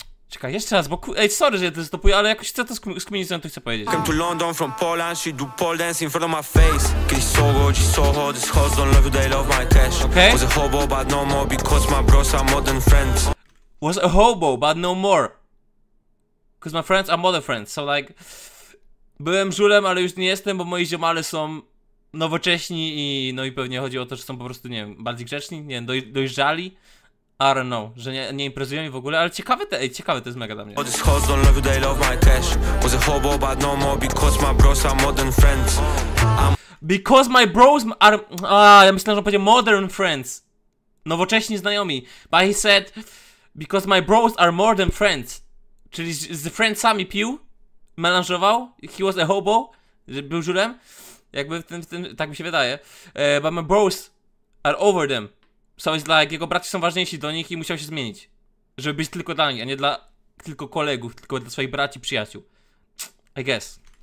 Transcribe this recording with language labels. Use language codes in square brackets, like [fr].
[pl] Czekaj, jeszcze raz, bo sorry, że ja to stopuję, ale jakoś chcę to skminić, co ja tu chcę powiedzieć. [en] Come to London from Poland, she do pole dance in front of my face. [pl] Kiedyś Soho, dziś Soho, [en] this hoes don't love you, they love my cash. Okay. Was a hobo, but no more, because my bros are modern friends. Was a hobo, but no more. Because my friends are modern friends, so like... [pl] Byłem żulem, ale już nie jestem, bo moi ziomale są nowocześni i... No i pewnie chodzi o to, że są po prostu, nie wiem, bardziej grzeczni, nie wiem, dojrzali. [en] I don't know, [pl] że nie imprezują mi w ogóle, ale ciekawe to jest mega dla mnie. [en] This hoes don't love you, they love my cash. Was a hobo, but no more, because my bros are modern friends. Because my bros are... [pl] ja myślałem, że on powiedział modern friends. Nowocześni znajomi. [en] But he said, because my bros are modern friends. [pl] Czyli z friendsami pił, melanżował, [en] he was a hobo, [pl] że był żurem. Jakby w tym, tak mi się wydaje. [en] But my bros are over them. So it's like, [pl] jego bracia są ważniejsi do nich i musiał się zmienić. Żeby być tylko dla nich, a nie dla tylko kolegów, tylko dla swoich braci, przyjaciół. [en] I guess.